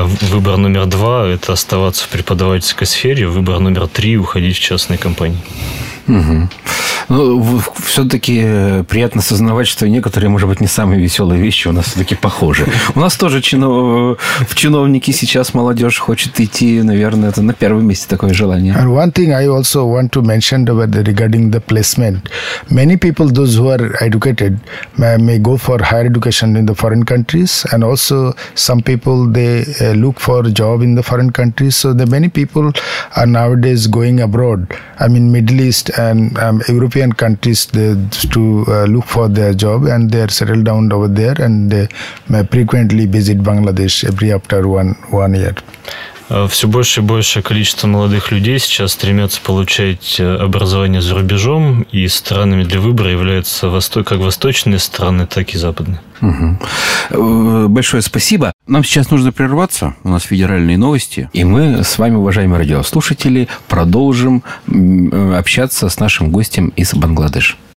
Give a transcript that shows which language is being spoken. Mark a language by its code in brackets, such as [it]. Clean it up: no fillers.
[ru] Выбор номер два – это оставаться в преподавательской сфере. Выбор номер три – уходить в частные компании. Угу. Ну, все-таки приятно осознавать, что некоторые, может быть, не самые веселые вещи у нас все-таки похожи. У нас тоже в чиновники сейчас молодежь хочет идти, наверное, это на первом месте такое желание. [en] And one thing I also want to mention about the, regarding the placement. Many people, those who are educated, may go for higher education in the foreign countries, and also some people, they look for job in the foreign countries. So the many people are nowadays going abroad. I mean, Middle East and European countries to look for their job, and they are settled down over there, and they may frequently visit Bangladesh every after one year. [ru] Все больше и большее количество молодых людей сейчас стремятся получать образование за рубежом, и странами для выбора являются как восточные страны, так и западные. Угу. Большое спасибо. Нам сейчас нужно прерваться, у нас федеральные новости, и мы с вами, уважаемые радиослушатели, продолжим общаться с нашим гостем из Бангладеш.